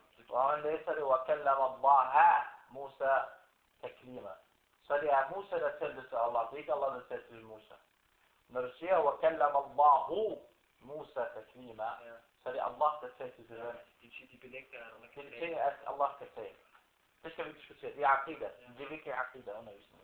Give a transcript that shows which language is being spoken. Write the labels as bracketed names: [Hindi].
[Danish] Og han læser det, [Arabic] وَكَلَّمَ اللَّهَ مُوسَى تَكْلِيمًا [Danish] Så det er Musa, der talte til Allah. Det er ikke Allah, der talte til Musa. Når du siger, [Arabic] وَكَلَّمَ اللَّهُ مُوسَى تَكْلِيمًا [Danish] ja. Så det er Allah, der talte til dem. Det er ting, at Allah kan tale. Det skal vi diskutere. Det er aqida. Ja. Det er virkelig aqida undervisning.